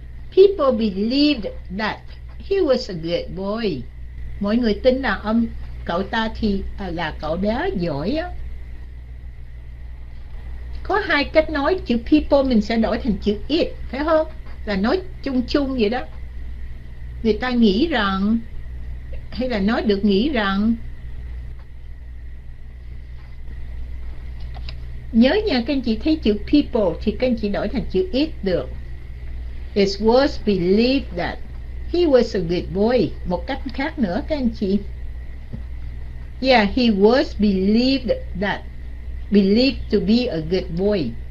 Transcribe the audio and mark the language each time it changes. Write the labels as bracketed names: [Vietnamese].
[English] People believed that he was a good boy. [Vietnamese] Mọi người tin là ông cậu ta thì là cậu bé giỏi á. Có hai cách nói chữ people, mình sẽ đổi thành chữ it, phải không? Là nói chung chung vậy đó. Người ta nghĩ rằng, hay là nói được nghĩ rằng. Nhớ nha, các anh chị thấy chữ people thì các anh chị đổi thành chữ it được. [English] It was believed that he was a good boy. [Vietnamese] Một cách khác nữa các anh chị. [English] Yeah, he was believed that, believed to be a good boy.